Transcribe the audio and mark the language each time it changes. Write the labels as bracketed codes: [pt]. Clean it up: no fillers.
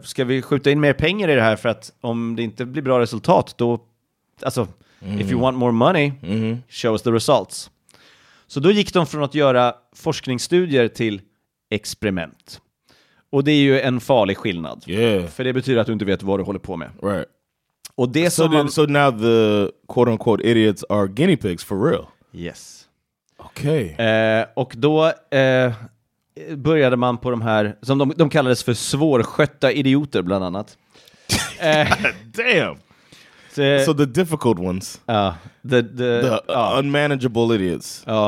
[sv] Ska vi skjuta in mer pengar i det här, för att om det inte blir bra resultat, då, alltså, [en] if you want more money, show us the results. [sv] Så då gick de från att göra forskningsstudier till experiment. Och det är ju en farlig skillnad. [en] Yeah. [sv] För det betyder att du inte vet vad du håller på med. [en] Right. [sv] Och det [en] so, [sv] man... [en] so now the quote unquote idiots are guinea pigs for real? Yes. [sv] Okej. [en] Okay. [sv] Och då började man på de här, som de kallades för svårskötta idioter bland annat. [en] Damn! So the difficult ones. The unmanageable idiots.